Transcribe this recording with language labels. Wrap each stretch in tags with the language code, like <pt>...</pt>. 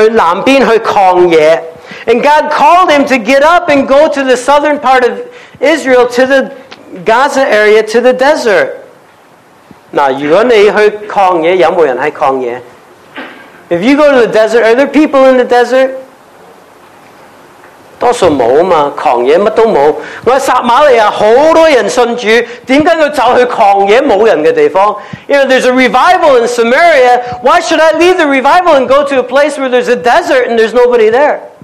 <zh>神就呼召他去起身去南边去旷野,</zh> <en>and God called him to get up and go to the southern part of Israel, to the Gaza area, to the desert.</en> <zh>如果你去旷野，有没有人在旷野?</zh> <en>If you go to the desert, are there people in the desert?</en> <zh>多数没有嘛，旷野什么都没有。我在撒玛利亚很多人信主，为什么要走去旷野没有人的地方?</zh> <en>You know, there's a revival in Samaria. Why should I leave the revival and go to a place where there's a desert and there's nobody there?</en>